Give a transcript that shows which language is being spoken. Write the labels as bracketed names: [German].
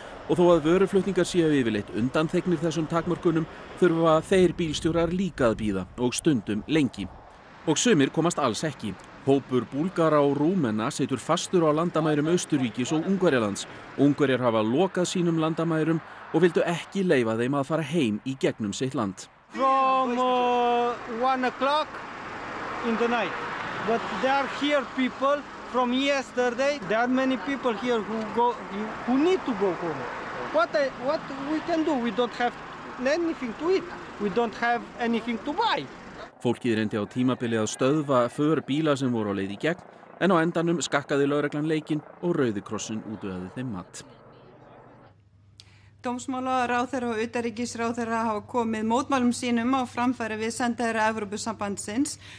[Icelandic] Og þó að vöruflutningar séu yfirleitt undanþegnir þessum takmörkunum þurfa þeir bílstjórar líka að bíða og stundum lengi. Og sumir komast alls ekki. Hópur Búlgara og Rúmena situr fastur á landamærum Austurríkis og Ungverjalands. Ungverjar hafa lokað sínum landamærum og vildu ekki leyfa þeim að fara heim í gegnum sitt land. [English] From 1 o'clock in the night. But there are here people from yesterday. There are many people here who need to go home. What we can do? We don't have anything to eat. We don't have anything to buy. [Icelandic] Fólkið reyndi á tímabili að stöðva för bíla sem voru á leið í gegn, en á endanum skakkaði lögreglan leikinn og Rauði krossinn útvegaði þeim mat. Dómsmálaráðherra og utanríkisráðherra hafa komið mótmælum sínum á framfæri við sendiherra Evrópusambandsins.